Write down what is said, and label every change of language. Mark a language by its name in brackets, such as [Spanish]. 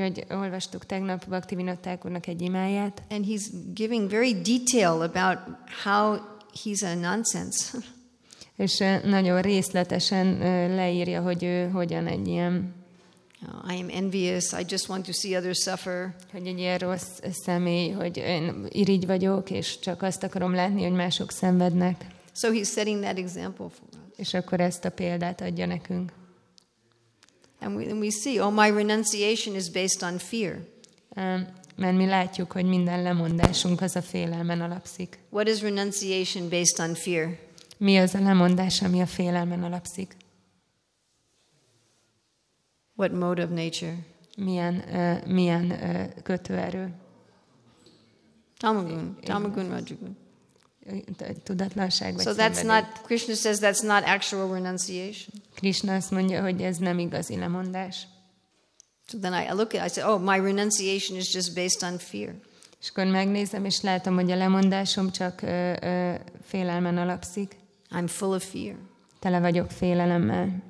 [Hungarian] Olvastuk tegnap Bhaktivinoda Thakurnak egy imáját. [English] And he's giving very detail about how he's a nonsense. [Hungarian] És nagyon részletesen leírja, hogy ő hogyan egy ilyen. [English] I am envious. I just want to see others suffer. [Hungarian] Hogy egy ilyen rossz személy, hogy én irigy vagyok, és csak azt akarom látni, hogy mások szenvednek. [English] So he's setting that example for us. [Hungarian] És akkor ezt a példát adja nekünk. [English] And we see, oh, my renunciation is based on fear. [Hungarian] Mert mi látjuk, hogy minden lemondásunk az a félelmen alapszik. [English] What is renunciation based on fear? [Hungarian] Mi az a lemondás, ami a félelmen alapszik? [English] What mode of nature? [Hungarian] Milyen kötőerő? [Sanskrit] Tamagun, rajogun. [Hungarian] Tudatlanság vagy [English] so that's not, Krishna says that's not actual renunciation. [Hungarian] Krishna azt mondja, hogy ez nem igazi lemondás. [English] So then I look at it, I say, oh, my renunciation is just based on fear. [Hungarian] És akkor megnézem, és látom, hogy a lemondásom csak félelmen alapszik. [English] I'm full of fear. [Hungarian] Tele vagyok félelemmel.